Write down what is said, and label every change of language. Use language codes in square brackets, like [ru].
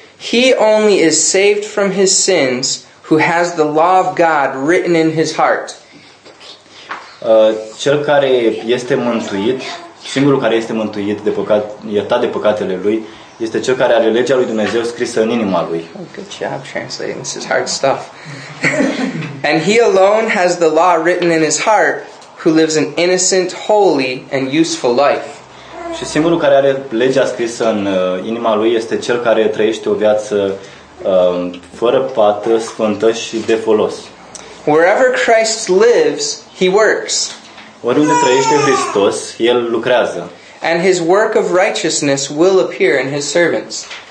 [en] He only is saved from his sins who has the law of God written in his heart. [ro] Cel care este mântuit, singurul care este mântuit de păcat, iertat de păcatele lui, este cel care are legea lui Dumnezeu scrisă în inima lui. [en] Oh, good job translating. This is hard stuff. And he alone has the law written in his heart who lives an innocent, holy and useful life. [ro] Și singurul care are legea scrisă în inima lui este cel care trăiește o viață fără pată, sfântă și de folos. [en] Wherever Christ lives, he works. [ro] Oriunde trăiește Hristos, el lucrează. [en] And his work of righteousness will appear in his servants.